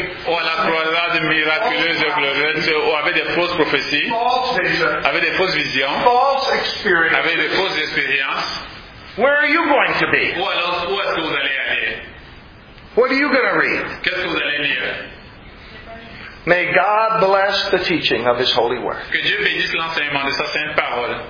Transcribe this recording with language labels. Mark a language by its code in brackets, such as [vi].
[fr] ou à la croisade miraculeuse et glorieuse, ou avec des fausses prophéties, avec des fausses visions, avec des fausses expériences, [en] where are you going to be? [fr] Où alors, où est-ce que vous allez aller? [en] What are you going to read? [fr] Qu'est-ce que vous allez lire? [en] May God bless the teaching of His holy word. [fr] Que Dieu bénisse l'enseignement de sa sainte parole.